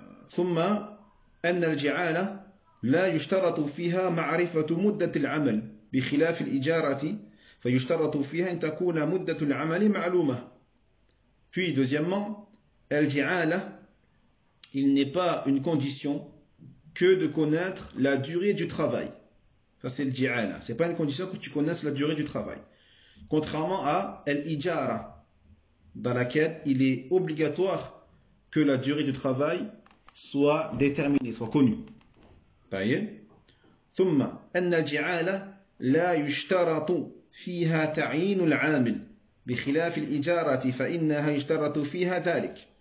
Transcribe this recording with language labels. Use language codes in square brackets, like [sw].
[ar] ثم أن الجعالة لا يشترط فيها معرفة مدة العمل بخلاف الإجارة فيشترط فيها أن تكون مدة العمل معلومة. [fr] Puis deuxièmement, الجعالة, il n'est pas une condition que de connaître la durée du travail. Ça c'est الجعالة. C'est pas une condition que tu connaisses la durée du travail. Contrairement à الإجارة, dans laquelle il est obligatoire que la durée du travail soit déterminé, soit connu. [ar] Taïe. ثم أن الجعالة لا يشترط فيها تعيين العامل بخلاف الإجارة فإنها يشترط فيها ذلك.